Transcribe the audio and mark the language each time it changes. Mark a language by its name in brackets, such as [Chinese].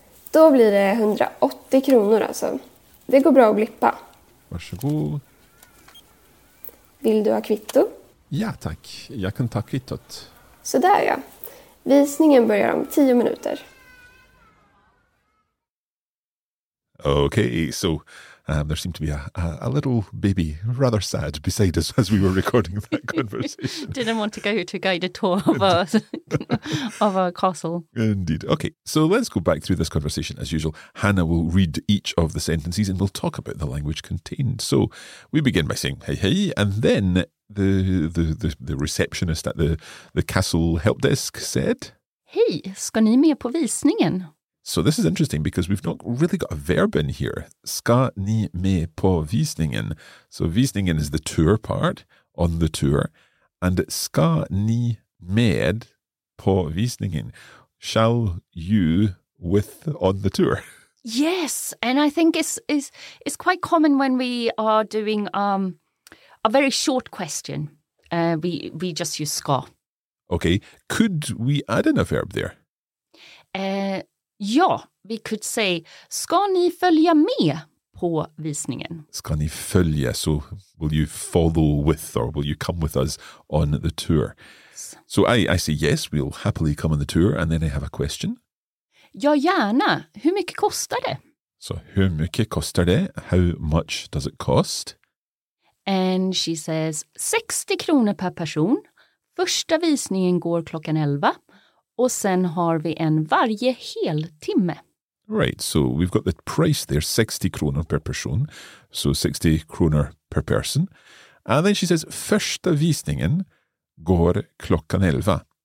[Swedish] Då blir det 180 kronor alltså. Det går bra att blippa. Varsågod. Vill du ha kvitto? Ja, tack. Jag kan ta kvittot. Sådär ja. Visningen börjar om 10 minuter. [English] Okay, so there seemed to be a little baby, rather sad, beside us as we were recording that conversation. Didn't want to go to guide a tour of a castle. Indeed. Okay, so let's go back through this conversation as usual. Hannah will read each of the sentences and we'll talk about the language contained. So we begin by saying hey, hey, and then the receptionist at the castle help desk said, [Swedish] hej, ska ni med på visningen? [English] So this is interesting because we've not really got a verb in here. [Swedish] Ska ni med på visningen? [English] So visningen is the tour part, on the tour. [Swedish] And ska ni med på visningen? [English] Shall you with on the tour? Yes, and I think it's quite common when we are doing a very short question. We just use ska. Okay, could we add in a verb there? [Swedish] Ja, [English] we could say, [Swedish] ska ni följa med på visningen? Ska ni följa, [English] so will you follow with or will you come with us on the tour? So I say yes, we'll happily come on the tour and then I have a question. [Swedish] Ja, gärna. Hur mycket kostar det? So hur mycket kostar det? [English] How much does it cost? And she says, [Swedish] 60 kronor per person. Första visningen går klockan 11. Och sen har vi en varje hel timme. [English] Right, so we've got the price there, [Swedish] 60 kronor per person. So 60 kronor per person. [English] And then she says, [Swedish] första visningen går klockan 11.